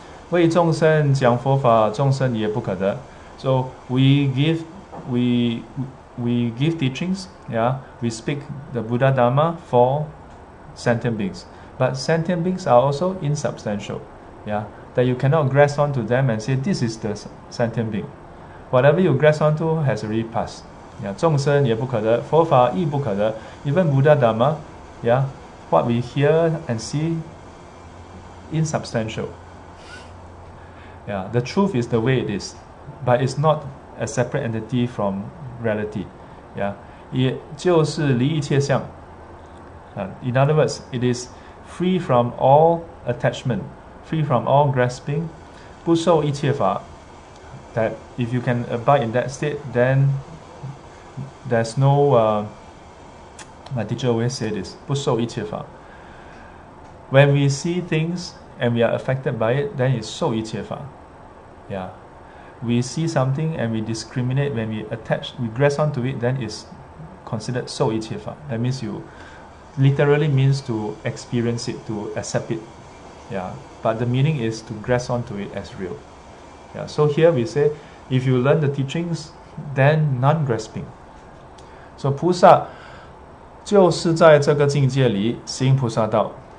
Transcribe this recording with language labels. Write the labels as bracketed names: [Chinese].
[Chinese] 为众生讲佛法，众生也不可得 [English] So we give teachings, we speak the Buddha Dharma for sentient beings. But sentient beings are also insubstantial, that you cannot grasp onto them and say, this is the sentient being. Whatever you grasp onto has already passed. [Chinese] 众生也不可得，佛法亦不可得。 [English] Even Buddha Dharma, what we hear and see, insubstantial. The truth is the way it is, but it's not a separate entity from reality. [Chinese] 也就是离一切相。 [English] In other words, it is free from all attachment, free from all grasping, [Chinese] 不受一切法, [English] that if you can abide in that state, then there's no, my teacher always say this, 不受一切法. When we see things and we are affected by it, then it's 受一切法. we see something and we discriminate, when we attach, we grasp onto it, then it's considered 受一切法. That means you literally means to experience it, to accept it. Yeah. But the meaning is to grasp onto it as real. Yeah. So here we say, if you learn the teachings, then non-grasping. [Chinese] So 菩萨就是在这个境界里行菩萨道.